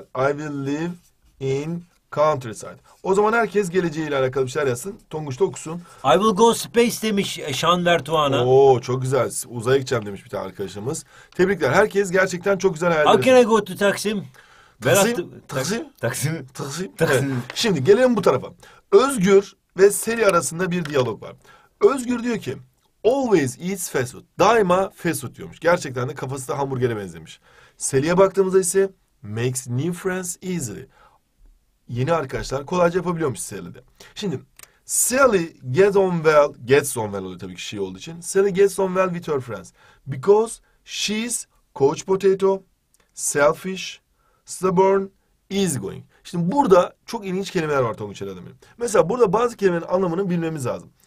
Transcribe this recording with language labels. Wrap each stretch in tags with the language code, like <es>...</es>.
<en>I will live in countryside.</en> <tr>O zaman herkes geleceğiyle alakalı bir şeyler yazsın. Tonguç da okusun.</tr> <en>I will go space</en> <tr>demiş</tr> <en>Şan Vertuğan'a.</en> <tr>Oo, çok güzel. Uzaya gideceğim demiş bir tane arkadaşımız. Tebrikler. Herkes gerçekten çok güzel hayal ediyor.</tr> <en>How can I go to Taksim?</en> <tr>Taksim. Evet. Şimdi gelelim bu tarafa. Özgür ve Seri arasında bir diyalog var.</tr> <en>Özgür</en> <tr>diyor ki</tr> <en>always eats fast food.</en> <tr>Daima fast food diyormuş. Gerçekten de kafası da hamburgere benzemiş. Seri'ye baktığımızda ise</tr> <en>makes new friends easily.</en> <tr>Yeni arkadaşlar kolayca yapabiliyormuş Sally'de. Şimdi</tr> <en>Sally gets on well</en> <tr>oluyor tabii ki şey olduğu için.</tr> <en>Sally gets on well with her friends. Because she's couch potato, selfish, stubborn, easygoing.</en> <tr>Şimdi burada çok ilginç kelimeler var Tonguç herhalde. Mesela burada bazı kelimelerin anlamını bilmemiz lazım.</tr>